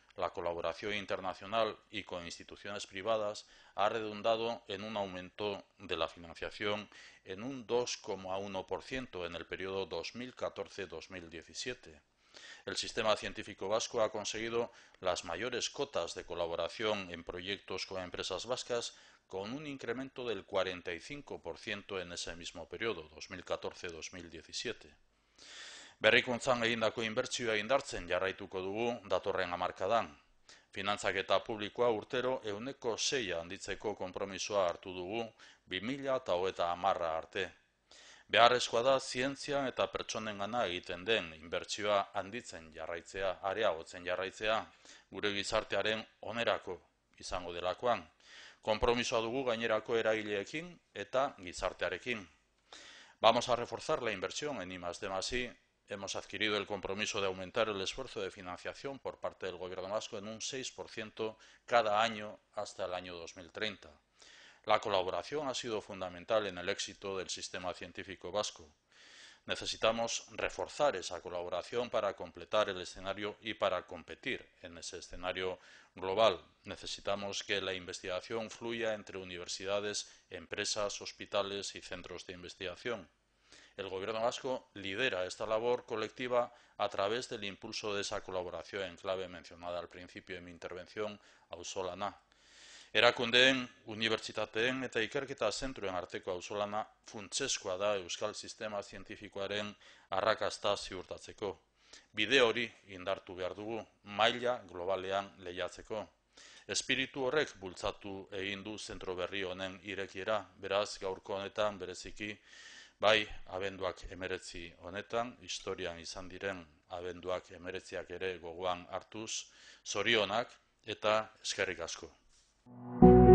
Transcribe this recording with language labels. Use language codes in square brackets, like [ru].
[es] La colaboración internacional y con instituciones privadas ha redundado en un aumento de la financiación en un 2,1% en el periodo 2014-2017. El sistema científico vasco ha conseguido las mayores cotas de colaboración en proyectos con empresas vascas, con un incremento del 45% en ese mismo periodo, 2014-2017. [eu] Berrikuntzan egindako inbertsioa indartzen jarraituko dugu datorren hamarkadan. Finantzaketa publikoa urtero 106% handitzeko konpromisoa hartu dugu 2030 arte. Beharrezkoa da zientzian eta pertsonengana egiten den inbertsioa handitzen jarraitzea, areagotzen jarraitzea, gure gizartearen onerako izango delakoan. Compromiso dugu gainerako eragileekin eta gizartearekin. [es] Vamos a reforzar la inversión en I+D+I. Hemos adquirido el compromiso de aumentar el esfuerzo de financiación por parte del Gobierno Vasco en un 6% cada año hasta el año 2030. La colaboración ha sido fundamental en el éxito del sistema científico vasco. Necesitamos reforzar esa colaboración para completar el escenario y para competir en ese escenario global. Necesitamos que la investigación fluya entre universidades, empresas, hospitales y centros de investigación. El Gobierno Vasco lidera esta labor colectiva a través del impulso de esa colaboración en clave mencionada al principio de mi intervención, Auzolana. [eu] Erakundeen, unibertsitateen eta ikerketa zentruen arteko auzolana funtsezkoa da euskal sistema zientifikoaren arrakasta ziurtatzeko. Bide hori indartu behar dugu, maila globalean lehiatzeko. Espiritu horrek bultzatu egin du zentro berri honen irekiera, beraz gaurko honetan bereziki, bai abenduak 19 honetan, historian izan diren abenduak 19ak ere gogoan hartuz, zorionak eta eskerrik asko.